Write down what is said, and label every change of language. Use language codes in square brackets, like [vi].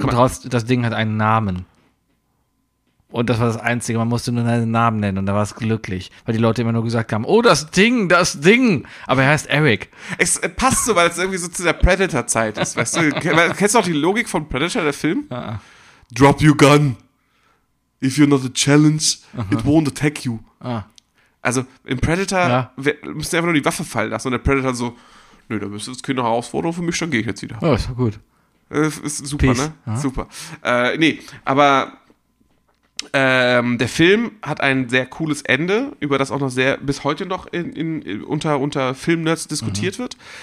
[de] kommt raus, das Ding hat einen Namen. Und das war das Einzige, man musste nur einen Namen nennen und da war es glücklich, weil die Leute immer nur gesagt haben, oh, das Ding, aber er heißt Eric. Es passt so, weil es irgendwie so zu der Predator-Zeit ist, weißt du, kennst du auch die Logik von Predator, der Film? Ja. [en] Drop your gun, if you're not a challenge, it won't attack you. Ah. [de] Also im Predator, wir müssen einfach nur die Waffe fallen lassen und der Predator so, nö, da müsste das Kind noch herausfordern, für mich, dann gehe ich jetzt wieder. Oh, ist gut. Ist super, Peace. Ne? Aha. Super. Der Film hat ein sehr cooles Ende, über das auch noch sehr bis heute noch unter Filmnerds diskutiert wird.